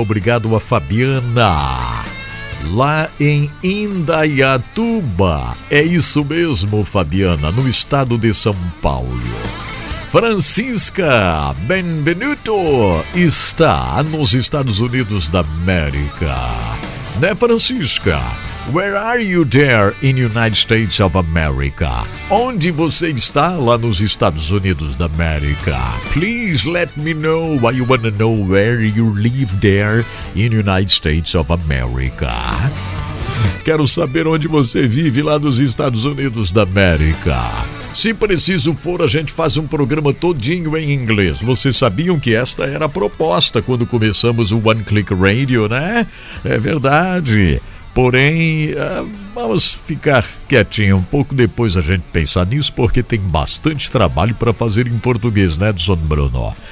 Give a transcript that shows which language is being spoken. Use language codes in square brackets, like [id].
[pt] Obrigado a Fabiana, lá em Indaiatuba. É isso mesmo, Fabiana, no estado de São Paulo. Francisca, benvenuto, está nos Estados Unidos da América. Né, Francisca? [en] Where are you there in United States of America? [pt] Onde você está lá nos Estados Unidos da América? [en] Please let me know why you want to know where you live there in United States of America. [pt] Quero saber onde você vive lá nos Estados Unidos da América. Se preciso for, a gente faz um programa todinho em inglês. Vocês sabiam que esta era a proposta quando começamos o One Click Radio, né? É verdade. Porém, vamos ficar quietinho um pouco depois a gente pensar nisso, porque tem bastante trabalho para fazer em português, né, Edson Bruno?